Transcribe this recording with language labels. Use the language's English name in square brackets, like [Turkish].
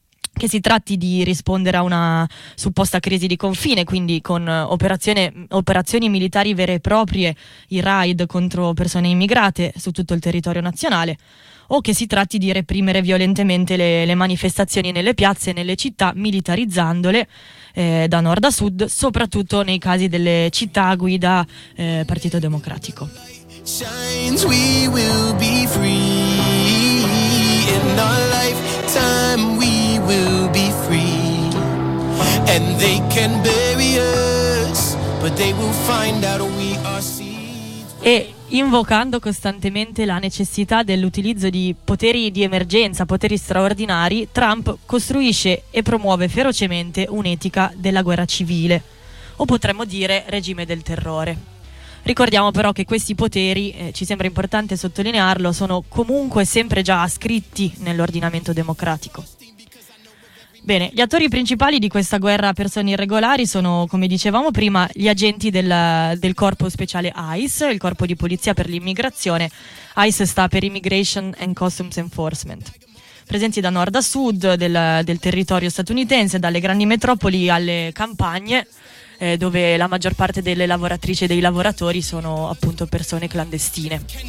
[Italian] che si tratti di rispondere a una supposta crisi di confine, quindi con operazioni militari vere e proprie, i raid contro persone immigrate su tutto il territorio nazionale, o che si tratti di reprimere violentemente le manifestazioni nelle piazze e nelle città, militarizzandole da nord a sud, soprattutto nei casi delle città a guida Partito Democratico. [English] Shines, we will be free. In our lifetime we will be free. And they can bury us, but they will find out we are seeds. [Italian] E invocando costantemente la necessità dell'utilizzo di poteri di emergenza, poteri straordinari, Trump costruisce e promuove ferocemente un'etica della guerra civile, o potremmo dire regime del terrore. Ricordiamo però che questi poteri, ci sembra importante sottolinearlo, sono comunque sempre già ascritti nell'ordinamento democratico. Bene, gli attori principali di questa guerra a persone irregolari sono, come dicevamo prima, gli agenti del corpo speciale ICE, il corpo di polizia per l'immigrazione. ICE sta per Immigration and Customs Enforcement. Presenti da nord a sud del territorio statunitense, dalle grandi metropoli alle campagne, dove la maggior parte delle lavoratrici e dei lavoratori sono appunto persone clandestine.